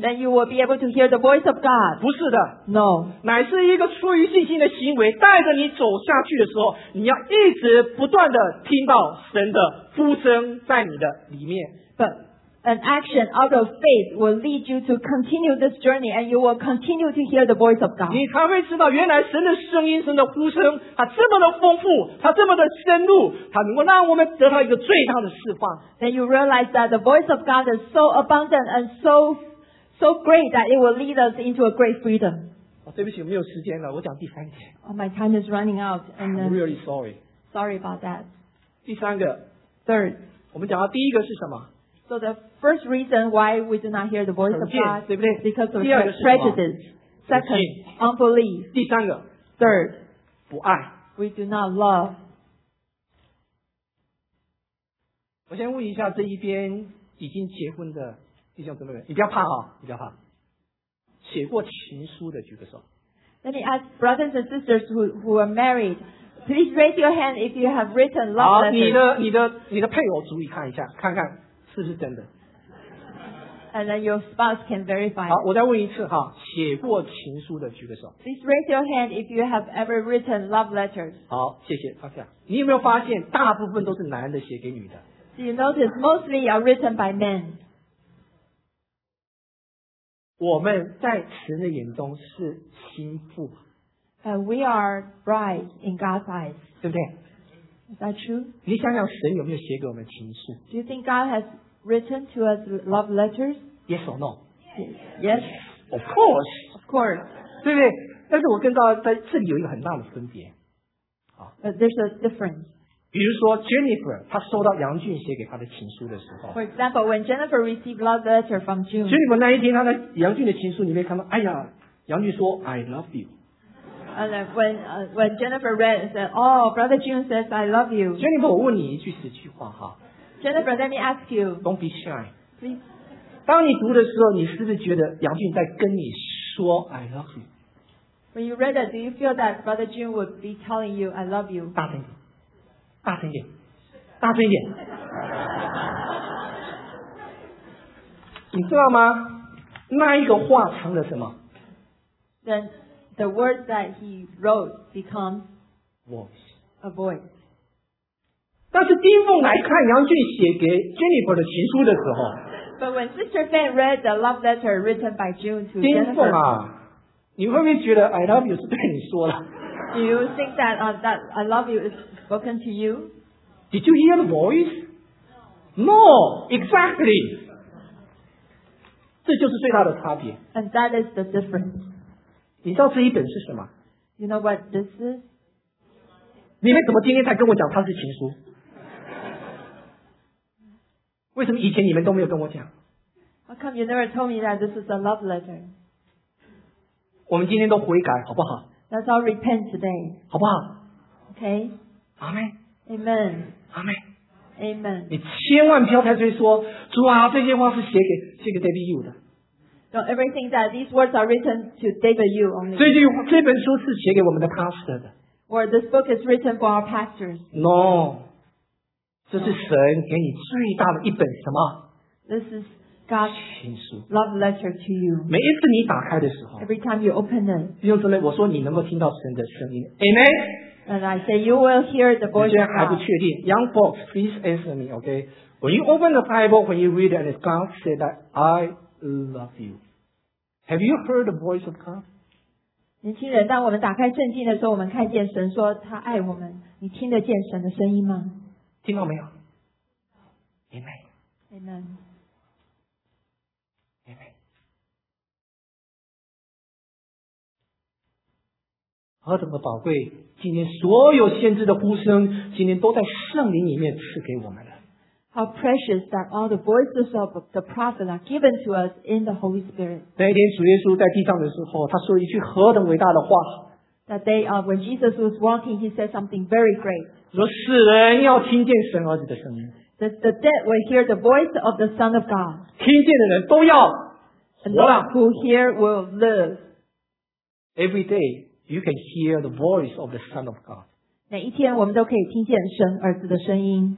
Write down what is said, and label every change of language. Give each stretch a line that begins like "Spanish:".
English: Then you will be able to hear the voice of God.
Chinese: 不是的
English: No.
Chinese: 乃是一个出于信心的行为带着你走下去的时候你要一直不断的听到神的呼声在你的里面
English: ButAn action out of faith will lead you to continue this journey and you will continue to hear the voice of God.
Chinese: 你才会知道原来神的声音神的呼声它这么的丰富它这么的深入它能够让我们得到一个最大的释放。
English: Then you realize that the voice of God is so abundant and so great that it will lead us into a great freedom.
Chinese: 对不起我没有时间了我讲第三点。
English: My time is running out. And then, I'm really sorry. Sorry about that.
Chinese: 第三个
English: Third.
Chinese: 我们讲到第一个是什么
English: So the first reason why we do not hear the voice of God is because of prejudice. Second, unbelief.
Chinese: 第三个
English: Third,
Chinese: 不爱
English: We do not love.
Chinese: 我先问一下这一边已经结婚的弟兄姊妹，你不要怕哈、哦，你不要怕。写过情书的举个手。
English: Let me ask brothers and sisters who are married, please raise your hand if you have written love letters.
Chinese: 好，你的配偶注意看一下，看看是不是真的。
English: And then your spouse can verify.
Chinese: 好，我再问一次哈，写过情书的举个手。
English: Please raise your hand if you have ever written love letters.
Chinese: 好，谢谢，放下。你有没有发现大部分都是男的写给女的？
English: Do you notice mostly are written by men?
Chinese: 我们在神的眼中是心腹。
English: And we are brides in God's eyes.
Chinese: 对不对？
English: Is that true?
Chinese: 你想想神有没有写给我们情书？
English: Do you think God has written to us love letters? Yes or no? Yes. Of course. Of course.
Chinese: 对不对？但是我跟到在这里有一个很大的分别。
English: But there's a difference.
Chinese: 比如说 Jennifer 她收到杨俊写给她的情书的时候
English: For example, when Jennifer received love letter from June
Chinese: Jennifer 那一天她在杨俊的情书里面看到哎呀杨俊说
English: I love you And when Jennifer read and said Oh, brother June says I love you
Chinese: Jennifer 我问你一句实际话哈
English: Jennifer, let me ask you Don't be shy Please
Chinese: 当你读的时候你是不是觉得杨俊在跟你说
English: I love you When you read that, do you feel that brother June would be telling you I love you
Chinese: 大声点大声一点，大声一点，你知道吗？那一个话成了什么
English: ？Then the words that he wrote become voice, a voice.
Chinese: 但是丁凤来看杨俊写给 Jennifer 的情书的时候
English: ，But when Sister Fan read the love letter written by June to Jennifer,
Chinese: 丁凤啊，你会不会觉得
English: I love you
Chinese: 是对你说的
English: ？Do you think that that I love you is Spoken to you? Did you hear the voice? No, exactly.
Chinese: 这就是最大的差别。
English: And that is the difference.
Chinese: 你知道这一本是什么？
English: You know what this is?
Chinese: 你们怎么今天才跟我讲它是情书？为什么以前你们都没有跟我讲？
English: How come you never told me that this is a love letter?
Chinese: 我们今天都悔改，好不好？
English: Let's all repent today.
Chinese: 好不好？
English: Okay. Amen. Amen. Amen. Amen.
Chinese: 你千万不要再追说主啊这些话是写给 David Yu 的。
English: Don't ever think that these words are written to David Yu only.
Chinese: 这本书是写给我们的 pastor 的。
English: Or this book is written for our pastors. No.
Chinese: 这是神给你最大的一本什么
English: This is God's
Chinese: 情书
English: love letter to you.
Chinese: 每一次你打开的时候
English: Every time you open it.
Chinese: 弟兄姊妹我说你能够听到神的声音。
English: Amen. And I say, you will hear the voice of God.
Chinese: 还不确定
English: Young folks, please answer me, okay? When you open the Bible, when you read it, and God said that, I love you. Have you heard the voice of God?
Chinese: 年轻人，当我们打开圣经的时候，我们看见神说他爱我们。你听得见神的声音吗？听到没有？Amen.
English: Amen. Amen.
Chinese: 何等的宝贵！今天所有先知的呼声，今天都在圣灵里面赐给我们了。
English: How precious that all the voices of the prophet are given to us in the Holy Spirit.
Chinese: 那一天主耶稣在地上的时候，他说一句何等伟大的话。
English: That day, when Jesus was walking, he said something very great.
Chinese: 说死人要听见神儿子的声音。
English: That the dead will hear the voice of the Son of God.
Chinese: 听见的人都要活了。
English: Who hear will live. Every day. You can hear the voice of the Son of God.
Chinese: 每一天我们都可以听见神儿子的声音。